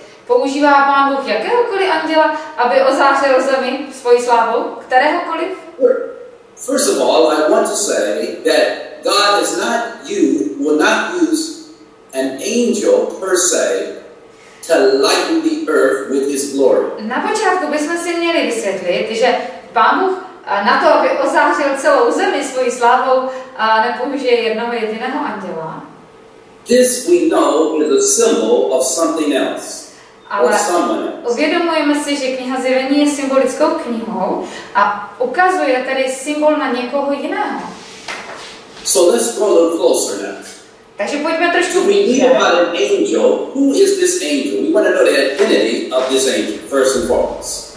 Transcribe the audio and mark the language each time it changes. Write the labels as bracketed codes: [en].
[cs] Používá Pán Bůh jakéhokoliv anděla, aby ozářil zemi svou slávou, kteréhokoliv? [en] First of all, I want to say that God is not you will not use an angel per se to lighten the earth with his glory. [cs] Na počátku bychom si měli vysvětlit, že Pán Bůh na to, aby ozářil celou zemi svou slávou, nepoužije jednoho jediného anděla. [en] This we know is a symbol of something else. [cs] Ale uvědomujeme si, že kniha Zjevení je symbolickou knihou a ukazuje tady symbol na někoho jiného. [en] So let's go a little closer now. [cs] Takže pojďme trošku blíže. [en] So we need about an angel. Who is this angel? We want to know the identity of this angel, first and foremost.